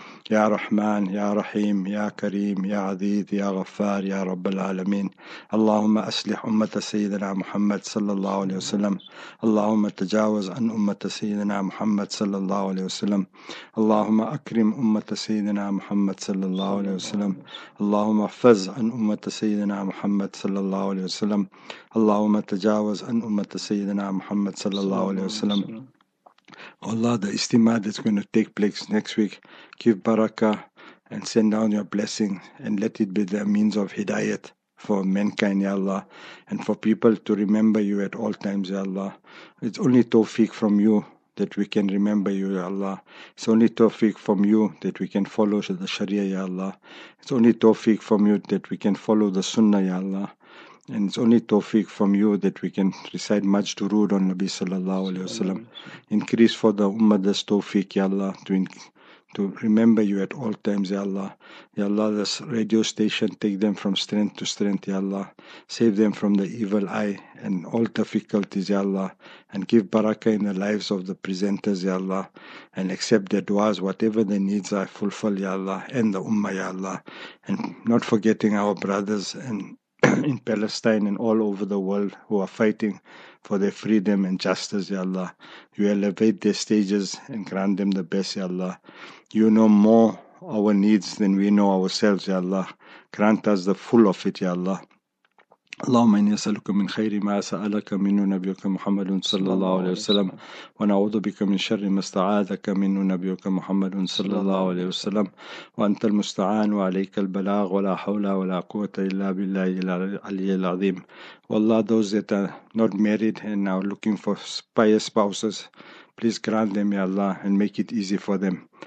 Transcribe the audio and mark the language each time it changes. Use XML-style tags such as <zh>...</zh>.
<ar>يا رحمن يا رحيم يا كريم يا عزيز يا غفار يا رب العالمين اللهم أصلح أمة سيدنا محمد صلى الله عليه وسلم اللهم تجاوز عن أمة سيدنا محمد صلى الله عليه وسلم اللهم أكرم أمة سيدنا محمد صلى الله عليه وسلم اللهم احفظ عن أمة سيدنا محمد صلى الله عليه وسلم اللهم تجاوز عن أمة سيدنا محمد صلى الله عليه وسلم</ar> <en>Allah, the istima that's going to take place next week, give barakah and send down your blessing and let it be the means of hidayat for mankind, Ya Allah, and for people to remember you at all times, Ya Allah. It's only tawfiq from you that we can remember you, Ya Allah. It's only tawfiq from you that we can follow the sharia, Ya Allah. It's only tawfiq from you that we can follow the sunnah, Ya Allah. And it's only tawfiq from you that we can recite majdurood on Nabi sallallahu alayhi wa sallam. Increase for the ummah this tawfiq, Ya Allah, to remember you at all times, Ya Allah. Ya Allah, this radio station, take them from strength to strength, Ya Allah. Save them from the evil eye and all difficulties, Ya Allah. And give barakah in the lives of the presenters, Ya Allah. And accept their duas, whatever their needs are, fulfill, Ya Allah. And the ummah, Ya Allah. And not forgetting our brothers and in Palestine and all over the world who are fighting for their freedom and justice, Ya Allah. You elevate their stages and grant them the best, Ya Allah. You know more our needs than we know ourselves, Ya Allah. Grant us the full of it, Ya Allah.</en> <ar>اللهم إني أسألك من خير ما سألك منه نبيك محمد صلى الله عليه وسلم ونعوذ بك من شر ما استعاذك منه نبيك محمد صلى الله عليه وسلم وأنت المستعان وعليك البلاغ ولا حول ولا قوة إلا بالله العلي العظيم والله</ar> <en>those that are not married and are looking for pious spouses please grant them</en> <ar>يا الله</ar> <en>and make it easy for them</en>